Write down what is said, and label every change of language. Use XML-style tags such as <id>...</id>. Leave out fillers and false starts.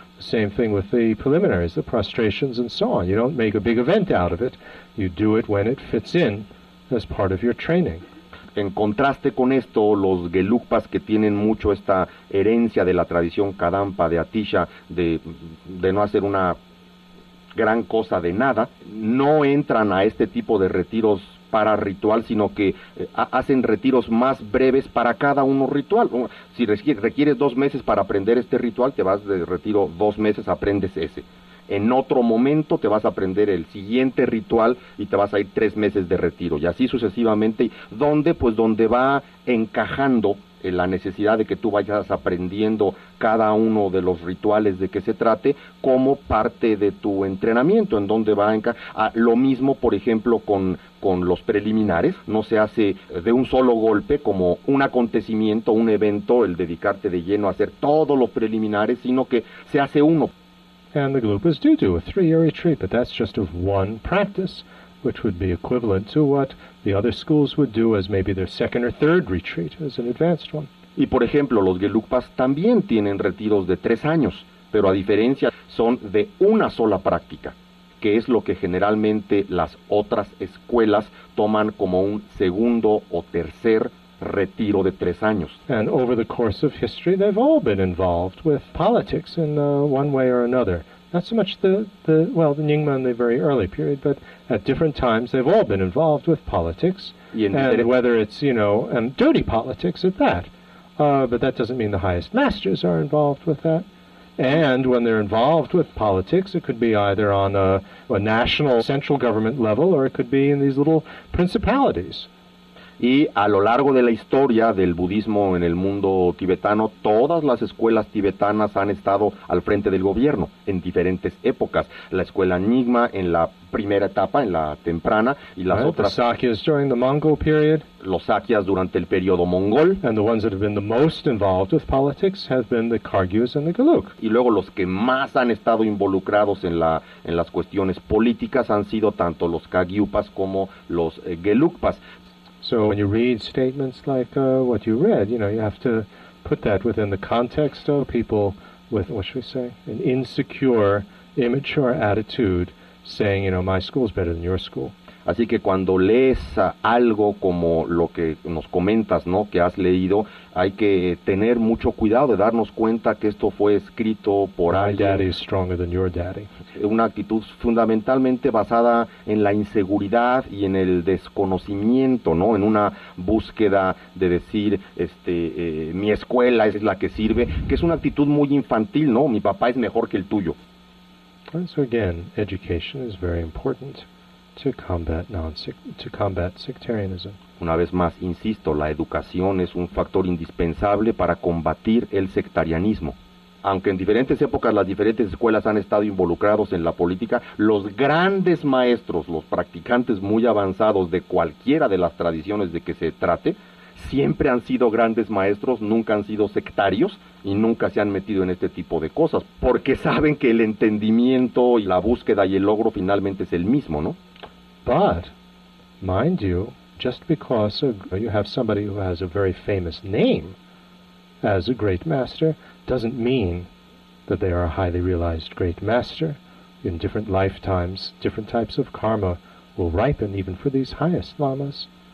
<en>The same thing with the preliminaries, the prostrations, and so on. You don't make a big event out of it. You do it when it fits in as part of your training.</en> <es>En contraste con esto, los Gelugpas, que tienen mucho esta herencia de la tradición Kadampa de Atisha de no hacer una gran cosa de nada, no entran a este tipo de retiros para ritual, sino que hacen retiros más breves para cada uno ritual. Si requieres 2 meses para aprender este ritual, te vas de retiro 2 meses, aprendes ese. En otro momento te vas a aprender el siguiente ritual y te vas a ir 3 meses de retiro. Y así sucesivamente, donde va encajando en la necesidad de que tú vayas aprendiendo cada uno de los rituales de que se trate como parte de tu entrenamiento, en donde va lo mismo, por ejemplo, con los preliminares. No se hace de un solo golpe como un acontecimiento, un evento, el dedicarte de lleno a hacer todos los preliminares, sino que se hace uno.</es> <en>And the Gelugpas do a 3-year retreat, but that's just of one practice, which would be equivalent to what the other schools would do as maybe their second or third retreat, as an advanced one.</en> <es>Y por ejemplo, los Gelugpas también tienen retiros de 3 años, pero a diferencia son de una sola práctica, que es lo que generalmente las otras escuelas toman como un segundo o tercer retiro de 3 años.</es> <en>And over the course of history, they've all been involved with politics in one way or another. Not so much the Nyingma in the very early period, but at different times, they've all been involved with politics. Whether it's, and dirty politics at that. But that doesn't mean the highest masters are involved with that. And when they're involved with politics, it could be either on a national central government level, or it could be in these little principalities.</en> <es>Y a lo largo de la historia del budismo en el mundo tibetano, todas las escuelas tibetanas han estado al frente del gobierno en diferentes épocas. La escuela Nyingma en la primera etapa, en la temprana, y las otras.</es> <en>The Sakyas during the Mongol period.</en> <es>Los Sakyas durante el periodo mongol.</es> <en>And the ones that have been the most involved with politics have been the Kargyus and the Gelug.</en> <es>Y luego los que más han estado involucrados en la en las cuestiones políticas han sido tanto los Kagyupas como los Gelugpas.</es> <en>So when you read statements like what you read, you know, you have to put that within the context of people with, what should we say, an insecure, immature attitude saying, you know, my school is better than your school.</en> <es>Así que cuando lees algo como lo que nos comentas, ¿no?, que has leído, hay que tener mucho cuidado de darnos cuenta que esto fue escrito por alguien.</es> <en>My daddy is stronger than your daddy.</en> <es>Una actitud fundamentalmente basada en la inseguridad y en el desconocimiento, ¿no?, en una búsqueda de decir, mi escuela es la que sirve, que es una actitud muy infantil, ¿no?, mi papá es mejor que el tuyo.</es> <en>So again, education is very important. To combat sectarianism.</en> <es>Una vez más, insisto, la educación es un factor indispensable para combatir el sectarianismo. Aunque en diferentes épocas las diferentes escuelas han estado involucrados en la política, los grandes maestros, los practicantes muy avanzados de cualquiera de las tradiciones de que se trate, siempre han sido grandes maestros, nunca han sido sectarios y nunca se han metido en este tipo de cosas, porque saben que el entendimiento y la búsqueda y el logro finalmente es el mismo, ¿no?</es> <en>But, mind you, just because you have somebody who has a very famous name as a great master doesn't mean that they are a highly realized great master. In different lifetimes, different types of karma will ripen even for these highest lamas.</en>